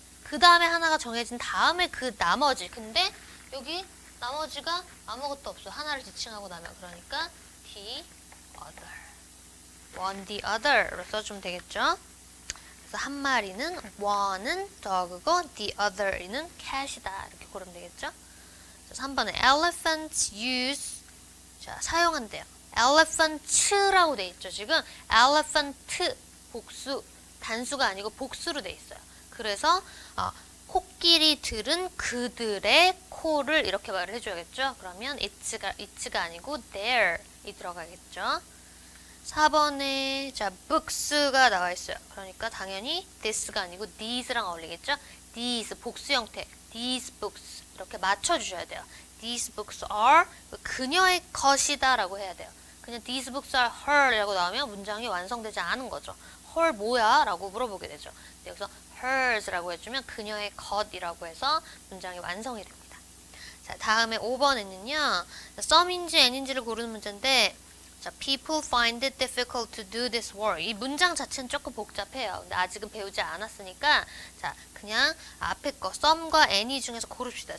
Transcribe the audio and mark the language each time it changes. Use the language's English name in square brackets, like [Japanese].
[Korean] 그 다음에 하나가 정해진 다음에 그 나머지. 근데 여기 나머지가 아무것도 없어. 하나를 지칭하고 나면. 그러니까 [English] the other. one the other [Korean] 로 써주면 되겠죠. 그래서 한 마리는 one은 dog고 the other는 cat이다. 이렇게 고르면 되겠죠. 3번에 [English] elephants use. [Korean] 자, 사용한대요. elephants라고 돼 있죠. 지금 elephant 복수. 단수가 아니고 복수로 돼 있어요. 그래서 코끼리들은 그들의 코를 이렇게 말을 해줘야겠죠? 그러면 it's가 아니고 there이 들어가겠죠? 4번에 자 books가 나와 있어요. 그러니까 당연히 this가 아니고 these랑 어울리겠죠? these 복수 형태 [English] these books [Korean] 이렇게 맞춰주셔야 돼요. [English] these books are [Korean] 그녀의 것이다라고 해야 돼요. 그냥 [English] these books are her [Korean] 라고 나오면 문장이 완성되지 않은 거죠. her 뭐야?라고 물어보게 되죠. 여기서 hers라고 해주면 그녀의 것이라고 해서 문장이 완성이 됩니다. 자, 다음에 5번에는요, some인지 n인지를 고르는 문제인데, 자, [English] people find it difficult to do this work. [Korean] 이 문장 자체는 조금 복잡해요. 근데 아직은 배우지 않았으니까, 자, 그냥 앞에 거 some과 any 중에서 고릅시다.